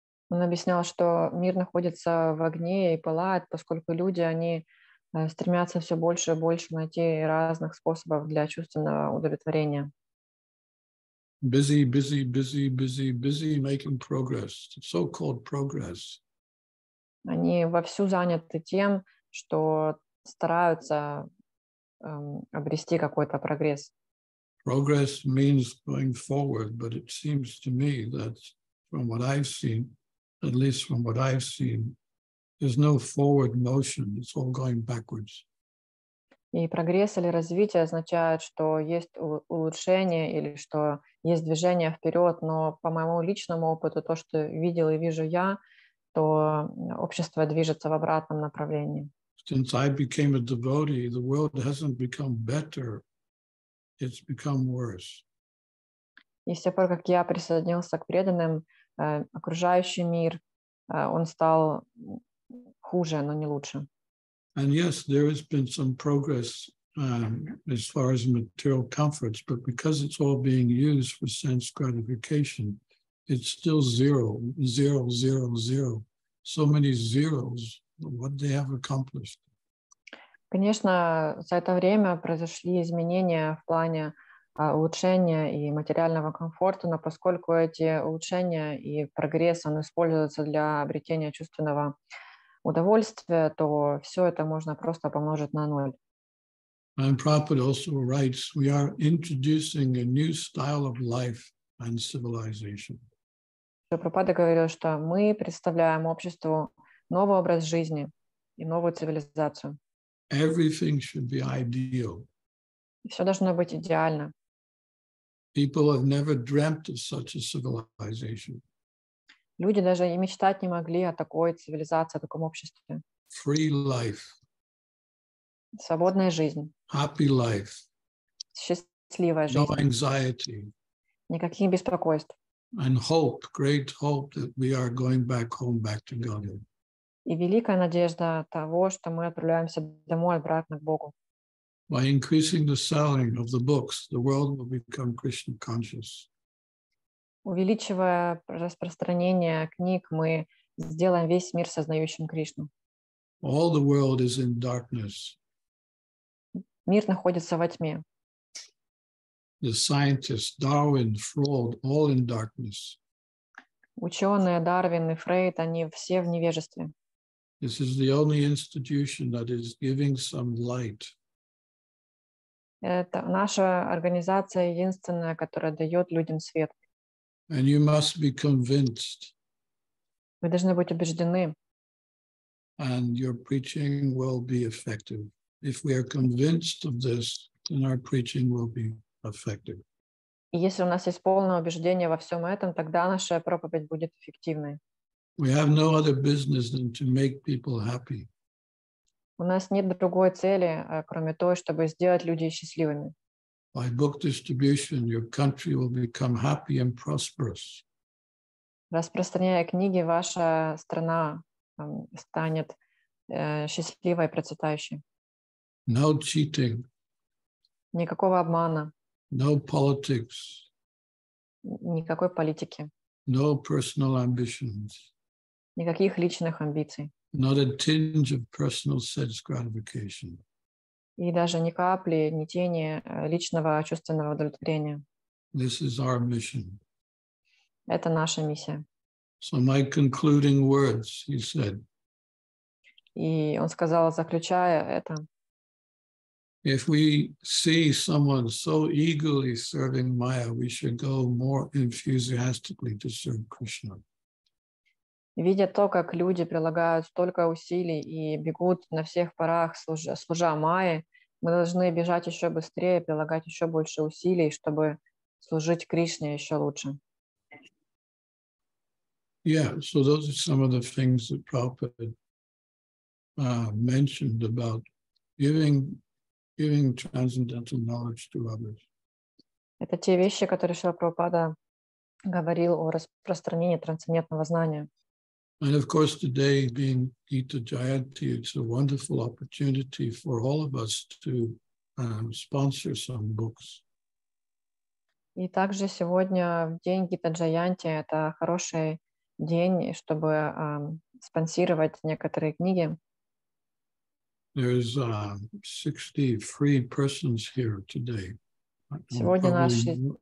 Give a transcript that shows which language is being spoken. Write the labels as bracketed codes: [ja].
[ru] Он объяснял, что мир находится в огне и пылает, поскольку люди, они стремятся все больше и больше найти разных способов для чувственного удовлетворения. [en] Busy, busy, busy, busy, busy, making progress, so-called progress. [ru] Они вовсю заняты тем, что стараются обрести какой-то прогресс. [en] Progress means going forward, but it seems to me that from what I've seen, at least from what I've seen, there's no forward motion. It's all going backwards. [ru] И прогресс или развитие означает, что есть улучшение или что есть движение вперед. Но по моему личному опыту, то, что видел и вижу я, то общество движется в обратном направлении. [en] Since I became a devotee, the world hasn't become better. It's become worse. [ru] И с тех пор, как я присоединился к преданным, окружающий мир, он стал хуже, но не лучше. [en] And yes, there has been some progress as far as material comforts, but because it's all being used for sense gratification, it's still zero, zero, zero, zero. So many zeros, what they have accomplished. [ru] Конечно, за это время произошли изменения в плане улучшения и материального комфорта, но поскольку эти улучшения и прогресс он используется для обретения чувственного удовольствия, то все это можно просто помножить на ноль. [en] And Prabhupada also writes, we are introducing a new style of life and civilization. [ru] Прабхупада говорил, что мы представляем обществу новый образ жизни и новую цивилизацию. [en] Everything should be ideal. [ru] Все должно быть идеально. [en] People have never dreamt of such a civilization. [ru] Люди даже и мечтать не могли о такой цивилизации, о таком обществе. [en] Free life. [ru] Свободная жизнь. [en] Happy life. [ru] Счастливая жизнь. [en] No anxiety. [ru] Никаких беспокойств. [en] And hope, great hope that we are going back home, back to Godhead. [ru] И великая надежда того, что мы отправляемся домой, обратно к Богу. [en] By increasing the selling of the books, the world will become Krishna conscious. [ru] Увеличивая распространение книг, мы сделаем весь мир сознающим Кришну. [en] All the world is in darkness. [ru] Мир находится во тьме. [en] The scientists, Darwin, Freud, all in darkness. [ru] Ученые, Дарвин и Фрейд, они все в невежестве. [en] This is the only institution that is giving some light. [ru] Это наша организация единственная, которая дает людям свет. [en] And you must be convinced. [ru] Вы должны быть убеждены. [en] And your preaching will be effective. If we are convinced of this, then our preaching will be effective. [ru] И если у нас есть полное убеждение во всем этом, тогда наша проповедь будет эффективной. [en] We have no other business than to make people happy. [ru] У нас нет другой цели, кроме той, чтобы сделать людей счастливыми. [en] By book distribution, your country will become happy and prosperous. [ru] Распространяя книги, ваша страна станет счастливой и процветающей. [en] No cheating. [ru] Никакого обмана. [en] No politics. [ru] никакой политики. [en] No personal ambitions. [ru] Никаких личных амбиций. [en] Not a tinge of personal sense gratification. [ru] И даже ни капли, ни тени личного чувственного удовлетворения. [en] This is our mission. [ru] Это наша миссия. [en] So my concluding words, he said. [ru] И он сказал, заключая это. [en] If we see someone so eagerly serving Maya, we should go more enthusiastically to serve Krishna. [ru] Видя то, как люди прилагают столько усилий и бегут на всех парах, служа Майе, мы должны бежать еще быстрее, прилагать еще больше усилий, чтобы служить Кришне еще лучше. [en] Yeah, so those are some of the things that Prabhupada mentioned about giving transcendental knowledge to others. [ru] Это те вещи, которые Шрила Прабхупада говорил о распространении трансцендентного знания. [en] And of course, today being Gita Jayanti, it's a wonderful opportunity for all of us to sponsor some books. [ru] И также сегодня в день Гита Джаянти это хороший день, чтобы спонсировать некоторые книги. [en] There's 60 free persons here today. [ru] Сегодня наши